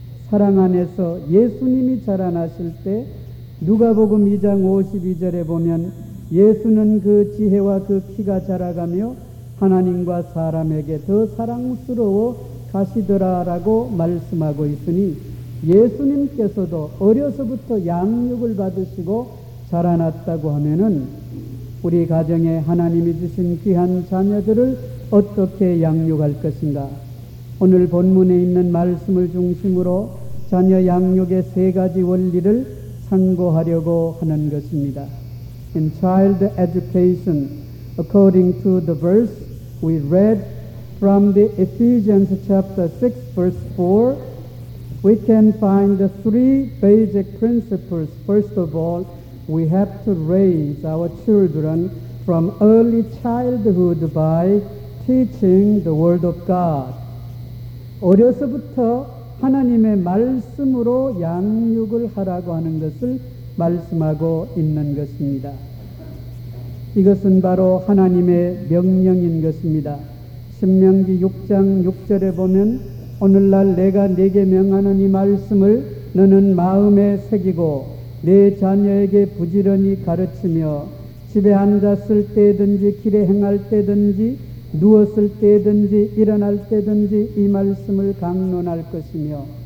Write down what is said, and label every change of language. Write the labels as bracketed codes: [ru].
[ko] 사랑 안에서 예수님이 자라나실 때 누가복음 2장 52절에 보면 예수는 그 지혜와 그 키가 자라가며 하나님과 사람에게 더 사랑스러워 가시더라라고 말씀하고 있으니 예수님께서도 어려서부터 양육을 받으시고 자라났다고 하면은 우리 가정에 하나님이 주신 귀한 자녀들을 어떻게 양육할 것인가. 오늘 본문에 있는 말씀을 중심으로 자녀 양육의 세 가지 원리를 참고하려고 하는 것입니다. [en] In child education, according to the verse we read from the Ephesians chapter 6 verse 4, we can find the three basic principles. First of all, we have to raise our children from early childhood by teaching the word of God. [ko] 어려서부터 하나님의 말씀으로 양육을 하라고 하는 것을 말씀하고 있는 것입니다. 이것은 바로 하나님의 명령인 것입니다. 신명기 6장 6절에 보면 오늘날 내가 네게 명하는 이 말씀을 너는 마음에 새기고 내 자녀에게 부지런히 가르치며 집에 앉았을 때든지 길에 행할 때든지 누웠을 때든지 일어날 때든지 이 말씀을 강론할 것이며